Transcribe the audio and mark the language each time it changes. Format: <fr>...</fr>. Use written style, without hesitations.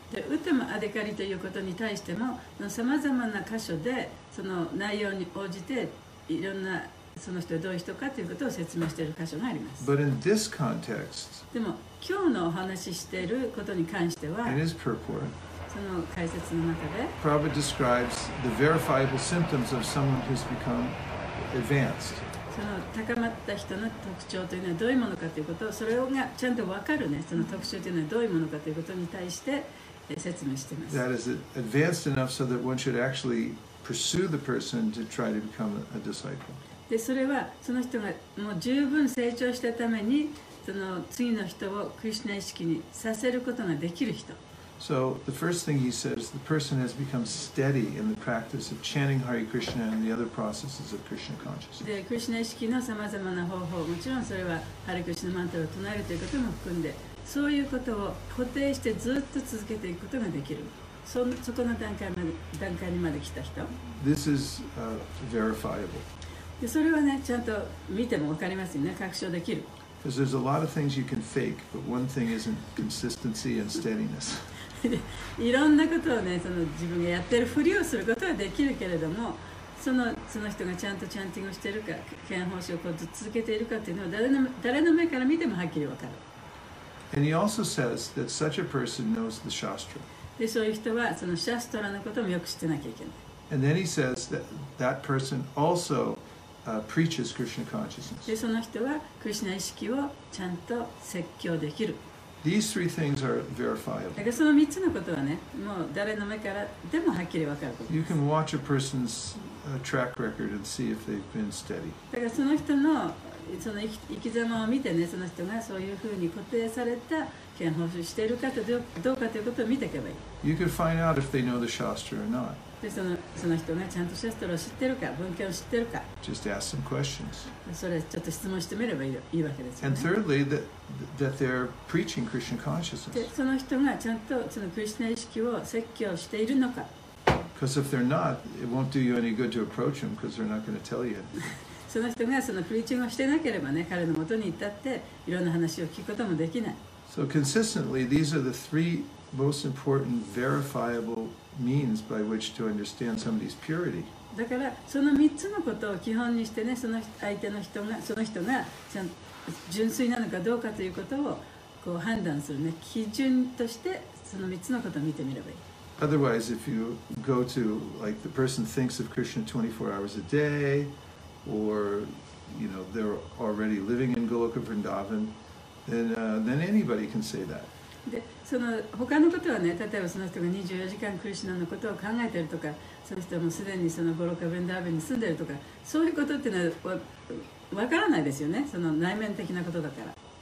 <ja>で、ウタマアデカリということに対しても、さまざまな箇所で、その内容に応じて、いろんなその人はどういう人かということを説明している箇所があります。</ja> <en>But in this context,</en> <ja>でも、今日のお話ししていることに関しては、</ja> <en>in his purport,</en> <ja>その解説の中で、</ja> <en>Prabhupada describes the verifiable symptoms of someone who's become advanced.</en> <ja>その高まった人の特徴というのはどういうものかということを、それがちゃんと分かるね、その特徴というのはどういうものかということに対して説明しています。</ja> <en>That is advanced enough so that one should actually pursue the person to try to become a disciple.</en> <ja>で、それはその人がもう十分成長したために、その次の人をクリシナ意識にさせることができる人。</ja> <en>So the first thing he says, the person has become steady in the practice of chanting Hare Krishna and the other processes of Krishna consciousness.</en> <ja>で、クリシナ意識のさまざまな方法、もちろんそれはハリクリシナマントラを唱えるということも含んで、そういうことを固定してずっと続けていくことができる。そこの段階にまで来た人。</ja> <en>This is verifiable.</en> <ja>で、それはね、ちゃんと見てもわかりますよね、確証できる。</ja> <en>Because there's a lot of things you can fake, but one thing isn't consistency and steadiness.</en> <ja>いろんなことをね、その自分がやってるふりをすることはできるけれども、その人がちゃんとチャンティングしてるか、拳法師をこうずっと続けているかっていうのは誰の目から見てもはっきりわかる。</ja> <en>And he also says that such a person knows the shastra.</en> <ja>で、そういう人はそのシャストラのこともよく知ってなきゃいけない。</ja> <en>And then he says that person alsopreaches Krishna consciousness.</en> <ja>で、その人はクリシナ意識をちゃんと説教できる。</ja> <en>These three things are verifiable.</en> <ja>だからその3つのことはね、もう誰の目からでもはっきり分かることです。</ja> <en>You can watch a person's track record and see if they've been steady.</en> <ja>だからその人のその生き様を見てね、その人がそういうふうに固定された拳法をしているかとどうかということを見ていけばいい。</ja> <en>You can find out if they know the Shastra or not.</en> <ja>で、その人がちゃんとシャストラを知ってるか、文献を知ってるか。</ja> <en>Just ask some questions.</en> <ja>それちょっと質問してみればいいわけですよね。</ja> <en>And thirdly, that they're preaching Krishna consciousness.</en> <ja>で、その人がちゃんとそのクリシナ意識を説教しているのか。</ja> <en>Because if they're not, it won't do you any good to approach them because they're not going to tell you anything.</en> <ja>その人がそのプリーチングをしてなければね、彼の元に行ったっていろんな話を聞くこともできない。</ja> <en>So consistently, these are the three most important verifiable means by which to understand somebody's purity.</en> <ja>だからその3つのことを基本にしてね、その相手の人がその人が純粋なのかどうかということをこう判断するね、基準としてその3つのことを見てみればいい。</ja> <en>Otherwise, if you go to like the person thinks of Krishna 24 hours a day, or you know they're already living in Goloka Vrindavan, then anybody can say that.</en> <ja>で、その他のことはね、例えばその人が24時間クリシナのことを考えているとか、その人もすでにそのゴロカ・ヴリンダーヴァンに住んでいるとか、そういうことっていうのは分からないですよね、その内面的なことだから。</ja>